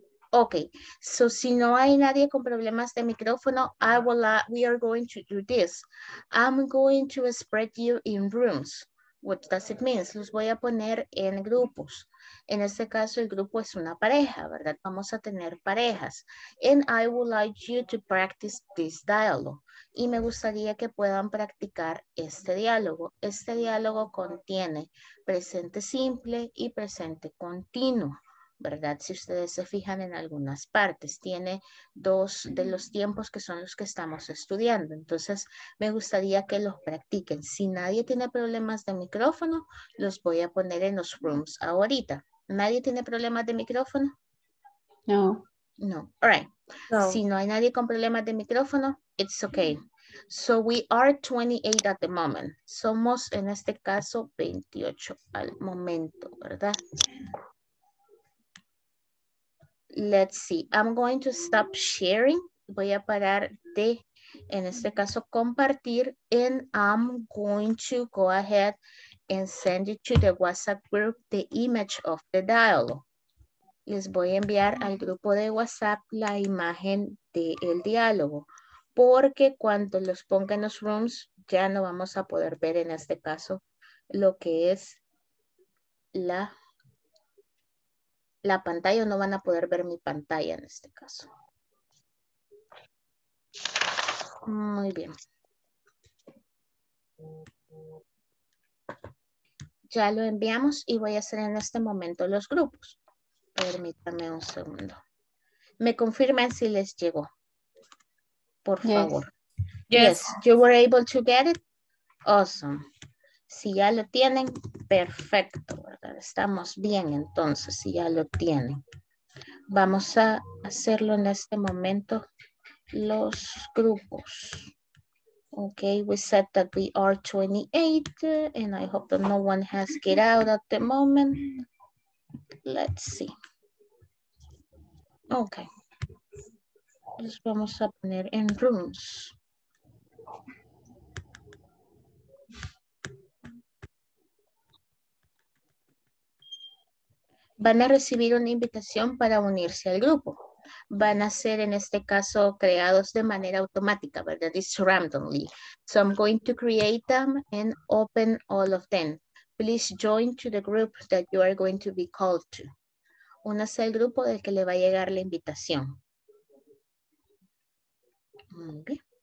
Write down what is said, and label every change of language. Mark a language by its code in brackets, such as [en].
[en] Okay, so [es] si no hay nadie con problemas de micrófono, [en] we are going to do this. I'm going to spread you in rooms. What does it mean? [es] Los voy a poner en grupos. En este caso, el grupo es una pareja, ¿verdad? Vamos a tener parejas. [en] And I would like you to practice this dialogue. [es] Y me gustaría que puedan practicar este diálogo. Este diálogo contiene presente simple y presente continuo, ¿verdad? Si ustedes se fijan en algunas partes, tiene dos de los tiempos que son los que estamos estudiando. Entonces, me gustaría que los practiquen. Si nadie tiene problemas de micrófono, los voy a poner en los rooms ahorita. ¿Nadie tiene problemas de micrófono? No. No. [en] All right. [es] No. Si no hay nadie con problemas de micrófono, [en] it's okay. So we are 28 at the moment. [es] Somos, en este caso, 28 al momento, ¿verdad? [en] Let's see. I'm going to stop sharing. [es] Voy a parar de, en este caso, compartir. [en] And I'm going to go ahead and send it to the WhatsApp group, the image of the dialogue. [es] Les voy a enviar al grupo de WhatsApp la imagen del diálogo. Porque cuando los ponga en los rooms, ya no vamos a poder ver, en este caso, lo que es la pantalla, no van a poder ver mi pantalla en este caso. Muy bien. Ya lo enviamos y voy a hacer en este momento los grupos. Permítame un segundo. Me confirman si les llegó. Por favor. [en] Yes. Yes. You were able to get it. Awesome. [es] Si ya lo tienen, perfecto, ¿verdad? Estamos bien, entonces, si ya lo tienen. Vamos a hacerlo en este momento, los grupos. [en] Ok, we said that we are 28, and I hope that no one has get out at the moment. Let's see. Ok. [es] Los vamos a poner en rooms. Van a recibir una invitación para unirse al grupo. Van a ser, en este caso, creados de manera automática, ¿verdad? [en] It's randomly. So I'm going to create them and open all of them. Please join to the group that you are going to be called to. [es] Únase al grupo del que le va a llegar la invitación. [en] Okay.